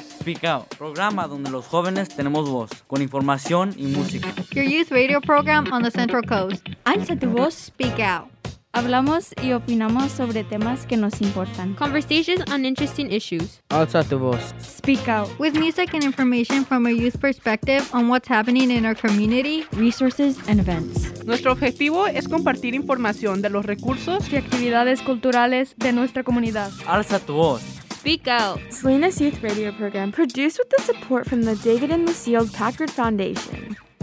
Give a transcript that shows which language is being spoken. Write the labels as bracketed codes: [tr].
[es] Speak Out, programa donde los jóvenes tenemos voz, con información y música. [en] Your youth radio program on the Central Coast. [es] Alza tu voz, Speak Out. Hablamos y opinamos sobre temas que nos importan. [en] Conversations on interesting issues. [es] Alza tu voz. [en] Speak Out. With music and information from a youth perspective on what's happening in our community, resources, and events. [es] Nuestro objetivo es compartir información de los recursos y actividades culturales de nuestra comunidad. Alza tu voz. [en] Speak Out. Salinas Youth Radio Program, produced with the support from the David and Lucille Packard Foundation.